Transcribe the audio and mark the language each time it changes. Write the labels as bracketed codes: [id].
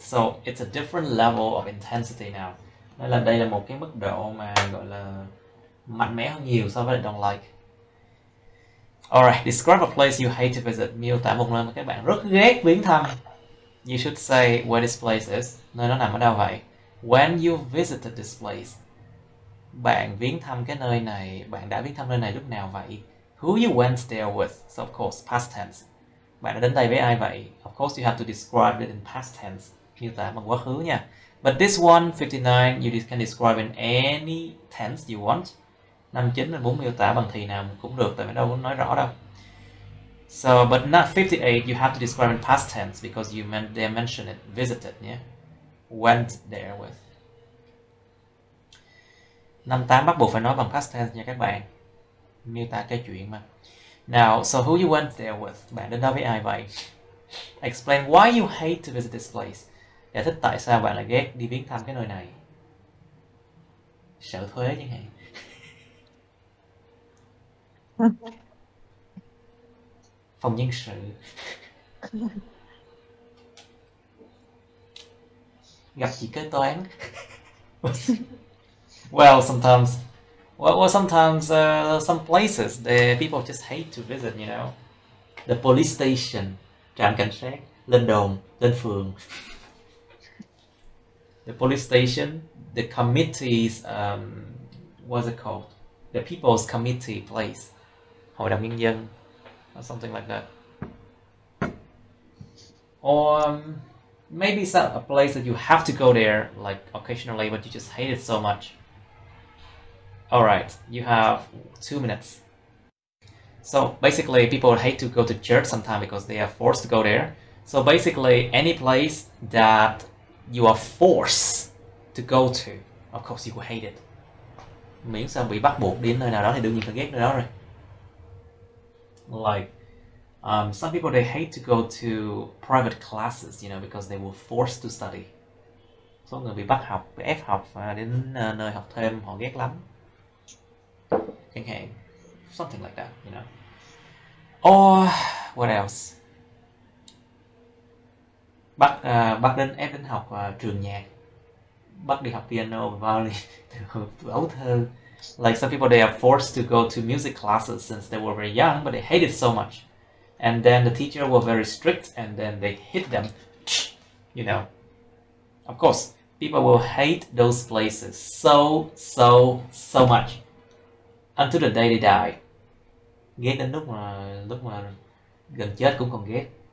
[en] So it's a different level of intensity now. [vi] Nên là đây là một cái mức độ mà gọi là mạnh mẽ hơn nhiều so với là [en] don't like. Alright, describe a place you hate to visit. [vi] Miêu tả một nơi mà các bạn rất ghét viếng thăm. [en] You should say where this place is. [vi] Nơi nó nằm ở đâu vậy? [en] When you visited this place. [vi] Bạn viếng thăm cái nơi này, bạn đã viếng thăm nơi này lúc nào vậy? [en] Who you went there with? So of course, past tense. [vi] Bạn đã đến đây với ai vậy? [en] Of course, you have to describe it in past tense. [vi] Miêu tả bằng quá khứ nha. [en] But this one, 59, you can describe in any tense you want. [vi] 59 mình muốn miêu tả bằng thì nào cũng được, tại vì đâu muốn nói rõ đâu. [en] So, but not 58, you have to describe in past tense because you they mentioned it, visited, yeah? Went there with. [vi] 58 bắt buộc phải nói bằng [en] past tense [vi] nha các bạn. Miêu tả cái chuyện mà. [en] Now, so who you went there with? [vi] Bạn đến đâu với ai vậy? [en] Explain why you hate to visit this place. [vi] Giải thích tại sao bạn lại ghét đi viếng thăm cái nơi này. Sợ thuế chẳng hạn. Phòng nhân sự. Gặp chị kế toán. [en] Well, sometimes some places that people just hate to visit, you know. The police station, [vi] trạm cảnh sát, lên đồn, lên phường. [en] The police station, the committee's what's it called? The people's committee place. [vi] Hội đồng nhân dân, [en] or something like that. Or maybe some a place that you have to go there like occasionally but you just hate it so much. All right, you have 2 minutes. So basically people hate to go to church sometimes because they are forced to go there. So basically any place that you are forced to go to, of course you will hate it. [vi] Miễn sao bị bắt buộc đến nơi nào đó thì đương nhiên phải ghét nơi đó rồi. [en] Like some people they hate to go to private classes, you know, because they were forced to study. [vi] Số người bị bắt học, bị ép học và đến nơi học thêm họ ghét lắm. Chẳng hạn, [en] something like that, you know. Or what else? [vi] Bắt đến ép đến học trường nhạc, bắt đi học piano, violin, từ ấu thơ. [en] Like some people, they are forced to go to music classes since they were very young, but they hate it so much. And then the teacher were very strict, and then they hit them. You know. Of course, people will hate those places so much until the day they die. [vi] Ghét đến lúc mà gần chết cũng còn ghét.